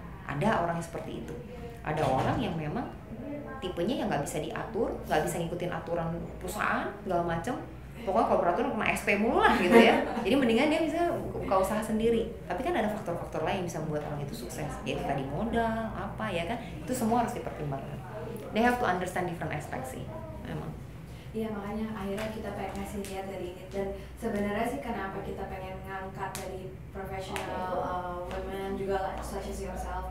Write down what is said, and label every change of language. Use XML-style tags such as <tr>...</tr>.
<id>Ada orang yang seperti itu. Ada orang yang memang tipenya yang gak bisa diatur, gak bisa ngikutin aturan perusahaan segala macem, pokoknya kalau beraturan kena SP mulu lah gitu ya. Jadi mendingan dia bisa buka usaha sendiri. Tapi kan ada faktor-faktor lain yang bisa membuat orang itu sukses, yaitu tadi modal, apa ya kan, itu semua harus dipertimbangkan.</id> <en>They have to understand different aspects sih, memang.</en> <id>Iya, makanya akhirnya kita pengen ngasih lihat dari ini. Dan sebenarnya sih kenapa kita pengen ngangkat dari professional women juga</id> <en>such as yourself.</en>